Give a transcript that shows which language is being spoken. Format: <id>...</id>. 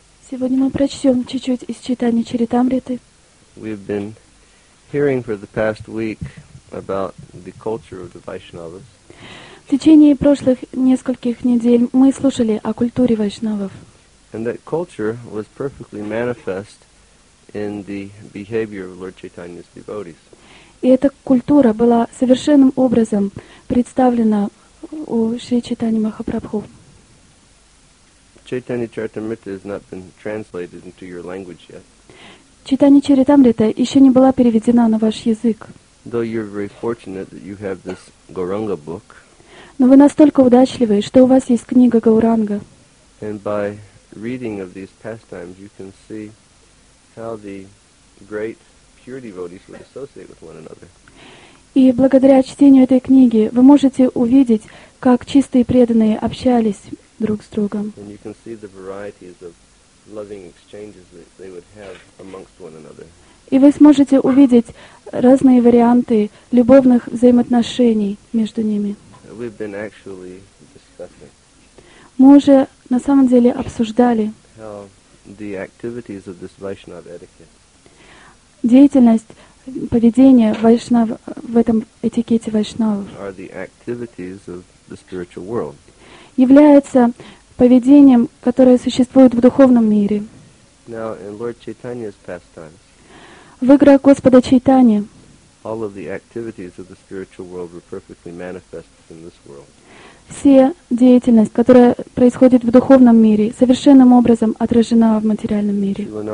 <ru>Сегодня мы прочтём чуть-чуть из Чайтаньи Чаритамриты.</ru> <en>We've been hearing for the past week about the culture of the Vaishnavas.</en> <ru>В течение прошлых нескольких недель мы слушали о культуре вайшнавов.</ru> <en>And that culture was perfectly manifest in the behavior of Lord Chaitanya's devotees.</en> <ru>И эта культура была совершенным образом представлена у Шри Чайтаньи Махапрабху.</ru> <en>Chaitanya Charitamrita has not been translated into your language yet.</en> <ru>Чайтанья Чаритамрита еще не была переведена на ваш язык.</ru> <en>Though you're very fortunate that you have this Gauranga book.</en> <ru>Но вы настолько удачливы, что у вас есть книга Гауранга.</ru> <en>And by reading of these pastimes, you can see how the great pure devotees would associate with one another.</en> <ru>И благодаря чтению этой книги вы можете увидеть, как чистые преданные общались друг с другом.</ru> <en>And you can see the varieties of loving exchanges that they would have amongst one another.</en> <ru>И вы сможете увидеть разные варианты любовных взаимоотношений между ними.</ru> <en>We've been actually discussing.</en> <ru>Мы уже на самом деле обсуждали</ru> <en>how the activities of this Vaishnava etiquette.</en> <ru>Деятельность, поведение вайшнав в этом этикете вайшнавов.</ru> <en>Are the activities of the spiritual world.</en> <ru>Является поведением, которое существует в духовном мире.</ru> <en>Now, in Lord Chaitanya's pastimes,</en> <ru>в играх Господа Чайтани,</ru> <en>all of the activities of the spiritual world were perfectly manifested in this world.</en> <ru>Вся деятельность, которая происходит в духовном мире, совершенным образом отражена в материальном мире.</ru>